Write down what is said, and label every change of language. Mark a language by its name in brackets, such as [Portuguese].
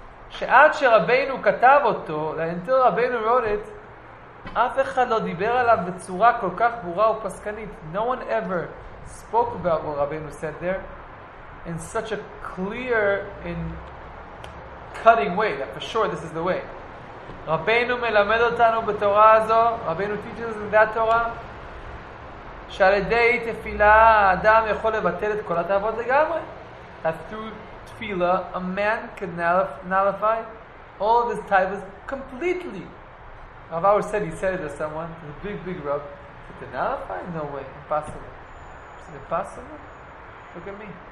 [Hebrew] שעד שרבינו כתב אותו, להנטר רבינו [English] wrote it, [Hebrew] אף אחד לא דיבר עליו בצורה כל כך ברורה ופסקנית. [English] No one ever spoke about what רבינו said there in such a clear and cutting way, that for sure this is the way. [Hebrew] רבינו מלמד אותנו בתורה הזו, רבינו [English] teaches us in that Torah, [Hebrew] שעל ידי תפילה האדם יכול לבטל את כל התאוות לגמרי. [English] That's true. Tefillah, a man could nullify all of his taivas completely. Rav Auer said, he said it to someone, to the big, big rub, to nullify? No way, impossible. Is it impossible? Look at me.